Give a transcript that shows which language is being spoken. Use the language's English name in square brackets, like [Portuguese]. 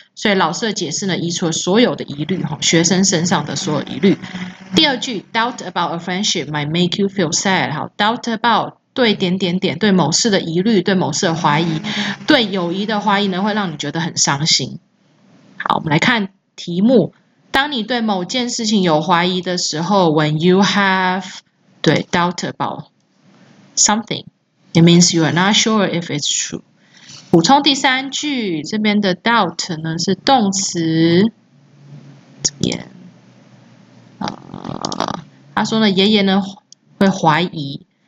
[Chinese] 所以老师的解释呢，移除了所有的疑虑，吼，学生身上的所有疑虑。第二句 [English] doubt about a friendship might make you feel sad。好，doubt about。 [Chinese] 对点点点，对某事的疑虑，对某事的怀疑，对友谊的怀疑呢，会让你觉得很伤心。好，我们来看题目。当你对某件事情有怀疑的时候， [English] when you have 对 doubt about something, it means you are not sure if it's true。 [Chinese] 补充第三句，这边的 doubt 呢是动词，这边他说呢，爷爷呢会怀疑。